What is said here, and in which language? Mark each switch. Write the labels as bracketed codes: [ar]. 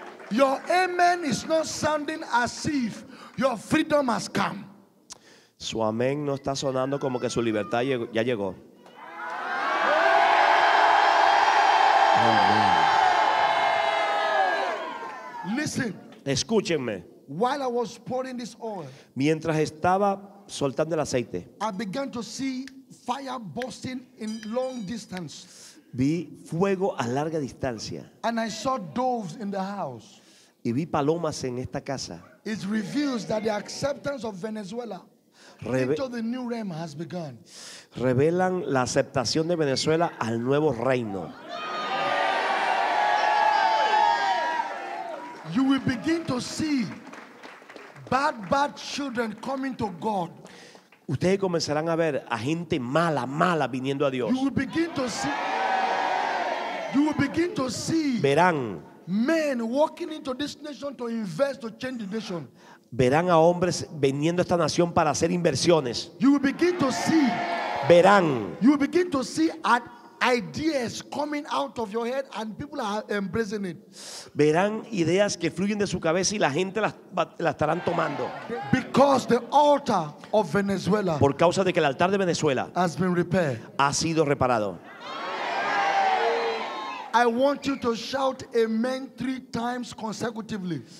[en] Your amen is not sounding as if your freedom has come. [es] Su amén no está sonando como que su libertad ya llegó. [en] Listen. [es] Escúchenme. [en] While I was pouring this oil, [es] mientras estaba soltando el aceite, [en] I began to see fire bursting in long distance. [es] Vi fuego a larga distancia. [en] And I saw doves in the house. [es] Y vi palomas en esta casa. [en] It reveals that the acceptance of Venezuela into the new realm has begun. [es] Revelan la aceptación de Venezuela al nuevo reino. [en] You will begin to see bad children coming to God. [es] Ustedes comenzarán a ver a gente mala viniendo a Dios. [en] You will begin to see. [es] Verán. [en] Men walking into this nation to invest, to change the nation. [es] Verán a hombres viniendo a esta nación para hacer inversiones. [en] You will begin to see. [es] Verán. [en] You will begin to see at ideas coming out of your head and people are embracing it. [es] Verán ideas que fluyen de su cabeza y la gente las estarán tomando. [en] Because the altar of Venezuela, [es] por causa de que el altar de Venezuela [en] has been repaired, [es] ha sido reparado. [en] I want you to shout amen 3 times consecutively.